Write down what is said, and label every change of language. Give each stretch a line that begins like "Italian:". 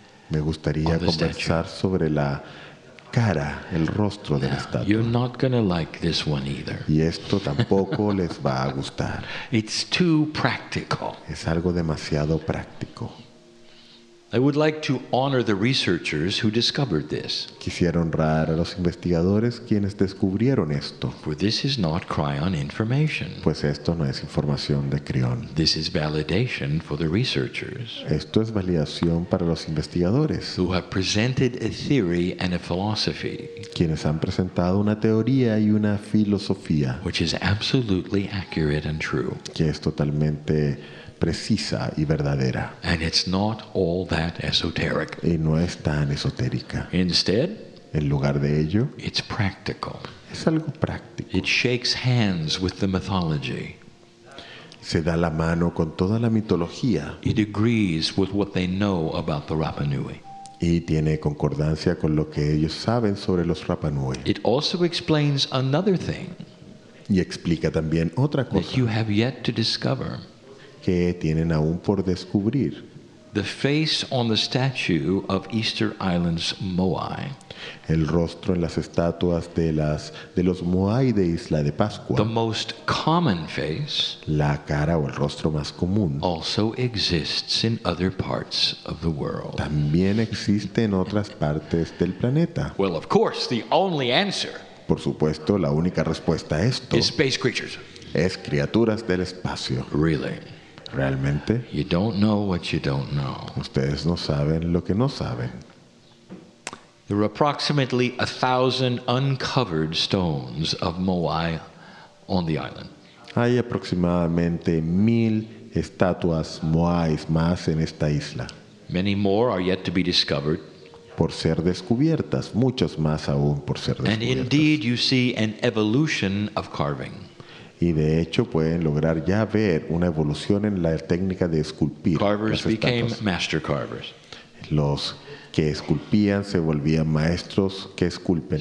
Spanish: Me gustaría conversar sobre la cara, el rostro de la estatua.
English: You're not going to like this one either.
Spanish: Y esto tampoco les va a gustar.
English: It's too practical.
Spanish: Es algo demasiado práctico.
English: I would like to honor the researchers who discovered this.
Spanish: Quisiera honrar a los investigadores quienes descubrieron esto.
English: For this is not Cryon information.
Spanish: Pues esto no es información de Cryon.
English: This is validation for the researchers.
Spanish: Esto es validación para los investigadores.
English: Who have presented a theory and a philosophy.
Spanish: Quienes han presentado una teoría y una filosofía.
English: Which is absolutely accurate and true.
Spanish: Que es totalmente precisa y verdadera.
English: And it's not all that esoteric.
Spanish: Y no es tan esotérica.
English: Instead,
Spanish: en lugar de ello,
English: it's practical.
Spanish: Es algo práctico.
English: It shakes hands with the mythology.
Spanish: Se da la mano con toda la mitología.
English: It agrees with what they know about the Rapa Nui.
Spanish: Y tiene concordancia con lo que ellos saben sobre los Rapa Nui.
English: It also explains another thing.
Spanish: Y explica también otra cosa.
English: That you have yet to discover.
Spanish: Que tienen aún por descubrir.
English: The face on the statue of Easter Island's Moai.
Spanish: El rostro en las estatuas de los Moai de Isla de Pascua.
English: The most common face.
Spanish: La cara o el rostro más común.
English: Also exists in other parts of the world.
Spanish: También existe en otras partes del planeta.
English: Well, of course, the only answer.
Spanish: Por supuesto, la única respuesta a esto.
English: Is space creatures.
Spanish: Es criaturas del espacio.
English: Really.
Spanish: Realmente,
English: you don't know what you don't know.
Spanish: Ustedes no saben lo que no saben.
English: There are approximately 1,000 uncovered stones of Moai on the island.
Spanish: Hay aproximadamente 1,000 estatuas Moais más en esta isla.
English: Many more are yet to be discovered.
Spanish: Por ser descubiertas, muchas más aún por ser descubiertas.
English: And indeed, you see an evolution of carving.
Spanish: Y de hecho pueden lograr ya ver una evolución en la técnica de esculpir.
English: Carvers became master carvers.
Spanish: Los que esculpían se volvían maestros que esculpen.